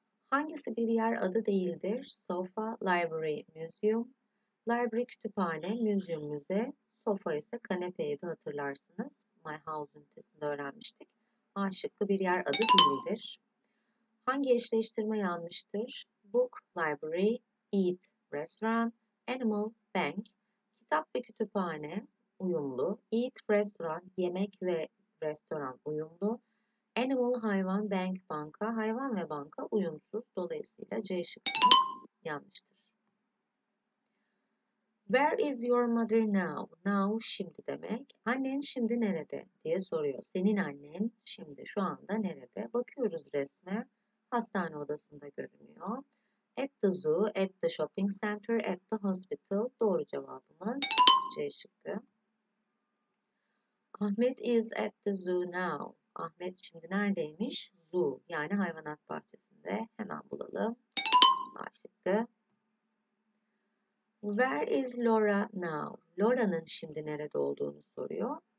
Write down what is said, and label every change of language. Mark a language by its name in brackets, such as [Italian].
[Turkish] Hangisi bir yer adı değildir? [English] Sofa, library, museum. [Turkish] Library kütüphane, museum müze. Sofa ise kanepeyi de hatırlarsınız. My house'un testinde öğrenmiştik. A şıkkı bir yer adı değildir. Hangi eşleştirme yanlıştır? [English] Book, library, eat, restaurant, animal, bank. [Turkish] Kitap ve kütüphane uyumlu. Eat, restaurant, yemek ve restoran uyumlu. Animal, hayvan, bank, banka. Hayvan ve banka uyumsuz. Dolayısıyla C şıkkımız yanlıştır. [English] Where is your mother now? [Turkish] Now şimdi demek. Annen şimdi nerede diye soruyor. Senin annen şimdi şu anda nerede? Bakıyoruz resme. Hastane odasında görünüyor. [English] At the zoo, at the shopping center, at the hospital. [Turkish] Doğru cevabımız C şıkkı. [English] Ahmet is at the zoo now. [Turkish] Ahmet şimdi neredeymiş? Zoo yani hayvanat bahçesinde. Hemen bulalım. A şıkkı. [English] Where is Laura now? [Turkish] Laura'nın şimdi nerede olduğunu soruyor.